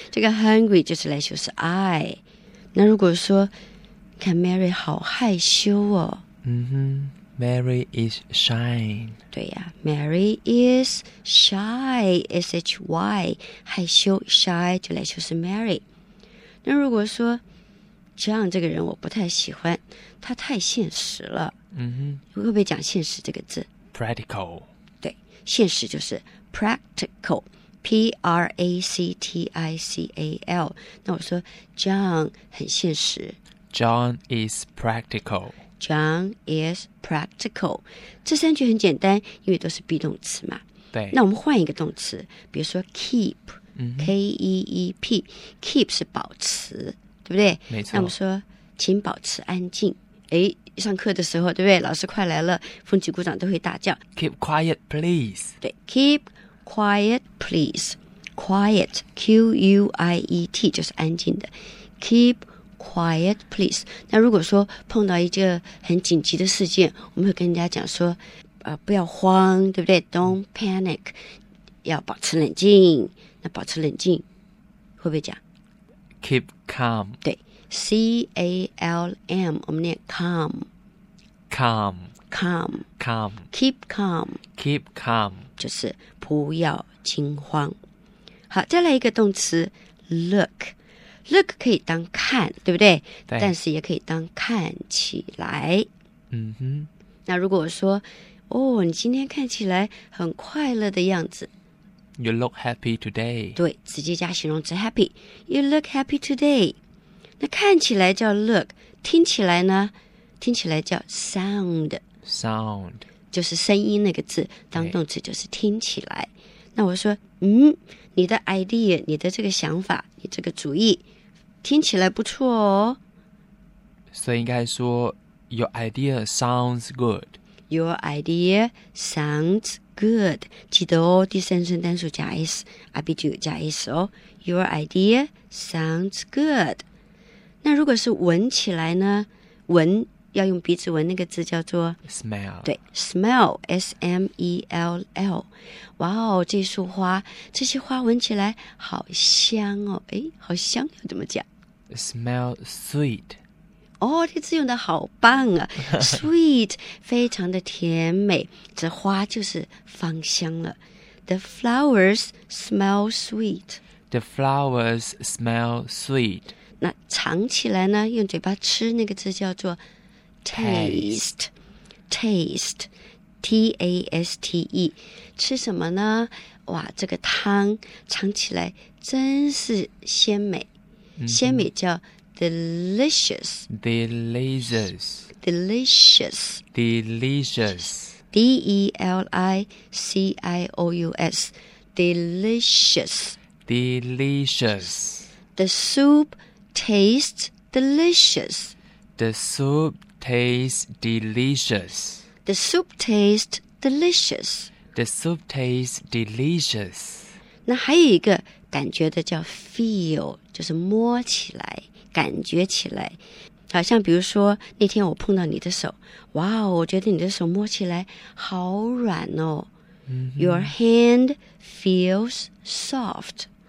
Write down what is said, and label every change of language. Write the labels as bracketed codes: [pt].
[zh] 这个 hungry 就是来修饰 I。那如果说，看 Mary 好害羞哦。 [en] 嗯哼 ，Mary is shy。 [zh] 对呀 ， [en] Mary is shy， [zh] shy， 害羞 ，shy 就来修饰 Mary。那如果说 John 这个人我不太喜欢，他太现实了。嗯哼，会不会讲现实这个字 [en] ？Practical。 [zh] 对，现实就是 practical， P R A C T I C A L。那我说 John 很现实。 [en] John is practical。 John is practical， [zh] 这三句很简单，因为都是 be 动词嘛。对，那我们换一个动词，比如说 keep，K-E-E-P， keep 是保持，对不对？没错。那我们说请保持安静，诶，上课的时候，对不对？老师快来了，风起鼓掌都会大叫 [en] keep quiet please。对， keep quiet please， quiet Q-U-I-E-T [zh] 就是安静的， [en] keepQuiet, please. [zh] 那如果说碰到一个很紧急的事件，我们会跟人家讲说，不要慌，对不对 ？ [en] Don't panic. [zh] 要保持冷静。那保持冷静，会不会讲 [en] ？Keep calm. 对 ，C A L M. [zh] 我们念 [en] calm. Calm. Calm. Calm. Keep calm. Keep calm. [zh] 就是不要惊慌。好，再来一个动词 ，look. Look 可以当看，对不对？对。但是也可以当看起来。嗯哼。那如果说，哦，你今天看起来很快乐的样子。 [en] You look happy today. [zh] 对，直接加形容词 happy. [en] You look happy today. [zh] 那看起来叫 look， 听起来呢？听起来叫 sound。 [en] Sound。 [zh] 就是声音那个字，当动词就是听起来。那我说，嗯，你的 idea， 你的这个想法，你这个主意，听起来不错哦。所以应该说 [en] ，Your idea sounds good. Your idea sounds good. [zh] 记得哦，第三声单数加 s， 阿 B 就有加 s 哦。 [en] Your idea sounds good. [zh] 那如果是闻起来呢？闻要用鼻子闻，那个字叫做 [en] smell。对 smell S-M-E-L-L。 [zh] 哇哦，这束花，这些花闻起来好香哦。诶，好香要怎么讲？ [en] smell sweet。 [zh] 哦，这字用的好棒啊。 sweet 非常的甜美，这花就是芳香了。 [en] the flowers smell sweet。 the flowers smell sweet。 [zh] 那尝起来呢，用嘴巴吃，那个字叫做 [en] taste， taste， T A S T E， [zh] 吃什么呢？哇，这个汤尝起来真是鲜美，鲜美叫 delicious， [en] delicious， delicious， delicious， D E L I C I O U S， delicious， delicious， the soup tastes delicious， the soup. Tastes delicious. The soup tastes delicious. The soup tastes delicious. [zh] 那还有一个感觉的叫 feel， 就是摸起来，感觉起来。好像比如说那天我碰到你的手，哇哦，我觉得你的手摸起来好软哦。 [en] Your hand feels soft.